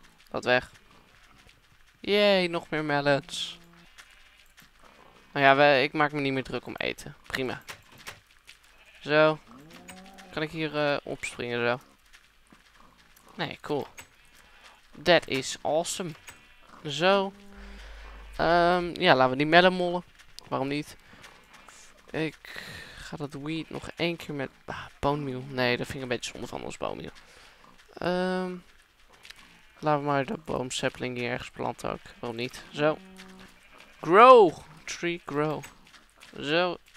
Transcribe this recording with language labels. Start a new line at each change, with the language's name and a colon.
Dutch: Dat weg. Yay, nog meer mallets. Nou ja, ik maak me niet meer druk om eten. Prima. Zo. Kan ik hier opspringen zo?
English: Nee, cool. That is awesome. Zo.
Dutch: Ja, laten we die melden mollen. Waarom niet? Ik ga dat weed nog één keer met... Ah, bone meal. Nee, dat vind ik een beetje zonde van ons bone meal. Laten we maar de boom sapling hier ergens planten ook. Waarom niet? Zo.
English: Grow. Tree grow.
Dutch: Zo.